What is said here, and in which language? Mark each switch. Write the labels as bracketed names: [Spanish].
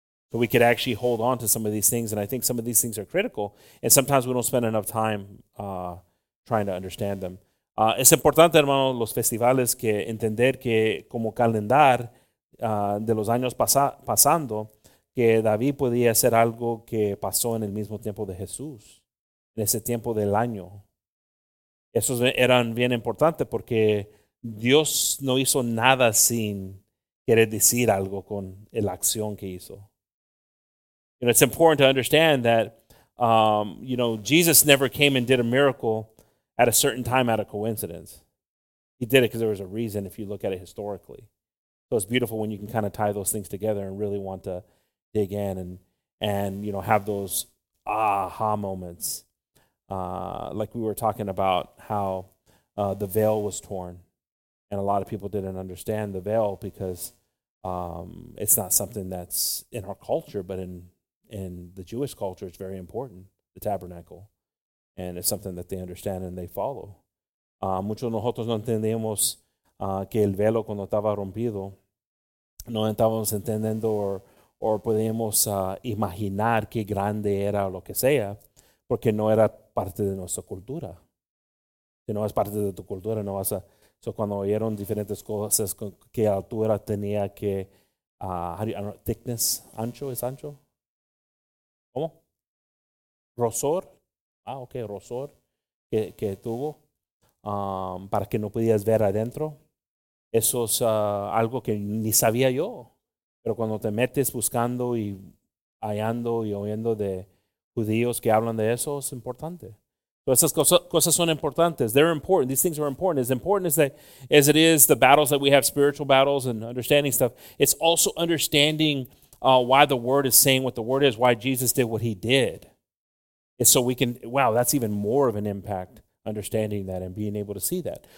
[English] So we could actually hold on to some of these things, and I think some of these things are critical, and sometimes we don't spend enough time trying to understand them. [Spanish] Es importante, hermano, los festivales, que entender que como calendar de los años pasando, que David podía hacer algo que pasó en el mismo tiempo de Jesús, en ese tiempo del año. Eso era bien importante porque Dios no hizo nada sin querer decir algo con la acción que hizo. [English] You know, it's important to understand that, you know, Jesus never came and did a miracle at a certain time out of coincidence. He did it because there was a reason if you look at it historically. So it's beautiful when you can kind of tie those things together and really want to dig in and you know, have those aha moments. Like we were talking about how the veil was torn. And a lot of people didn't understand the veil because it's not something that's in our culture, but in the Jewish culture, it's very important, the tabernacle. And it's something that they understand and they follow. [Spanish] Muchos nosotros no entendemos que el velo cuando estaba rompido, no estábamos entendiendo o podíamos imaginar qué grande era o lo que sea, porque no era parte de nuestra cultura. Si no es parte de tu cultura, no vas a... So cuando oyeron diferentes cosas, qué altura tenía, qué... thickness, ancho, ¿es ancho? ¿Cómo? ¿Rosor? Ah, ok, rosor que tuvo para que no pudieras ver adentro. Eso es algo que ni sabía yo. Pero cuando te metes buscando y hallando y oyendo de judíos que hablan de eso, es importante. Entonces, esas cosas son importantes. [English] They're important. These things are important. As important as it is the battles that we have, spiritual battles and understanding stuff, it's also understanding why the word is saying what the word is, why Jesus did what he did. And so we can, wow, that's even more of an impact, understanding that and being able to see that.